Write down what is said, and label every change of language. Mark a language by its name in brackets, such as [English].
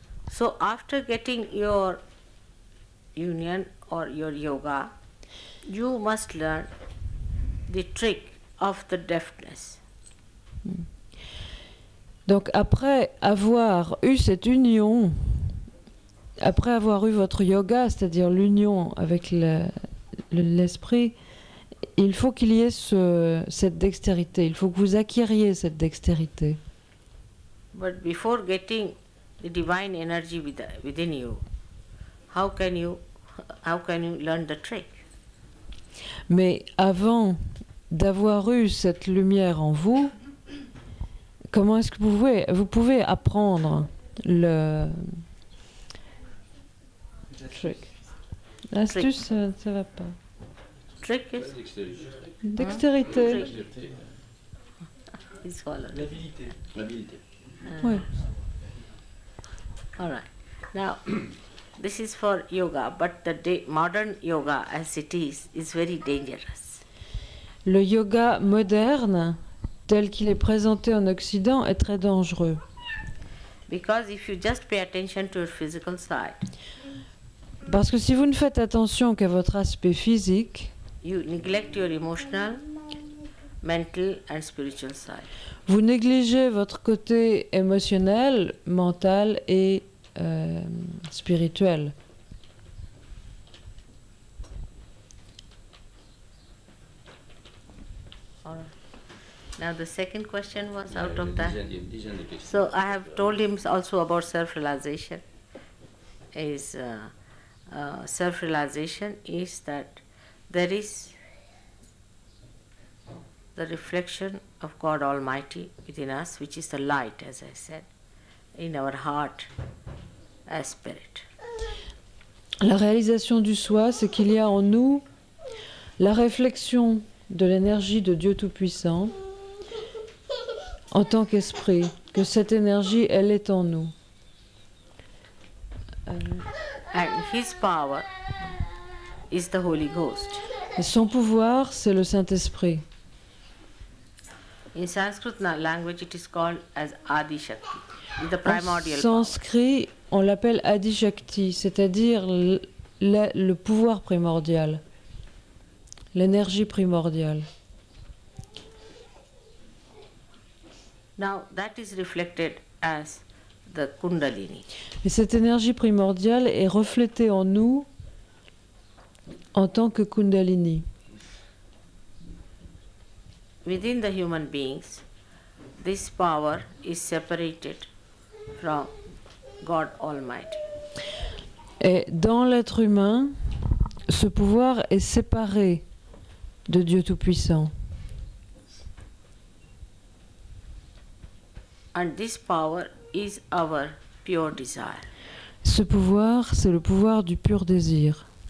[English] So after getting your union or your yoga, you must learn the trick of the deftness. [French] Donc après avoir eu cette union, après avoir eu votre yoga, c'est-à-dire l'union avec l'esprit, il faut qu'il y ait cette dextérité, il faut que vous acquériez cette dextérité. [English] But before getting the divine energy within you, how can you learn the trick? [French] Mais avant d'avoir eu cette lumière en vous, comment est-ce que vous pouvez apprendre le trick, L'astuce, ça va pas. [English] Trick is [French] dextérité. [English] It's followed. [French] L'habilité. Oui. [English] All right. Now, this is for yoga, but the modern yoga, as it is very dangerous. [French] Le yoga moderne, tel qu'il est présenté en Occident, est très dangereux. [English] Because if you just pay attention to your physical side, [French] parce que si vous ne faites attention qu'à votre aspect physique, [English] you neglect your emotional, mental and spiritual side. [French] Vous négligez votre côté émotionnel, mental et spirituel. [English] Now the second question was out of that. So I have told him also about self-realization. Self-realization is that there is the reflection of God Almighty within us, which is the light, as I said, in our heart as spirit. [French] La réalisation du soi, c'est qu'il y a en nous la réflexion de l'énergie de Dieu Tout-Puissant. En tant qu'esprit, que cette énergie, elle est en nous. [English] And his power is the Holy Ghost. [French] Et son pouvoir, c'est le Saint-Esprit. [English] In Sanskrit language, it is called as Adi Shakti, the primordial. [French] En sanskrit, on l'appelle Adi Shakti, c'est-à-dire le pouvoir primordial, l'énergie primordiale. [English] Now that is reflected as the Kundalini. [French] Et cette énergie primordiale est reflétée en nous en tant que Kundalini. [English] Within the human beings, this power is separated from God Almighty. [French] Et dans l'être humain, ce pouvoir est séparé de Dieu Tout-Puissant. [English] And this power is our pure desire. [French] Ce pouvoir, c'est le pouvoir du pur désir.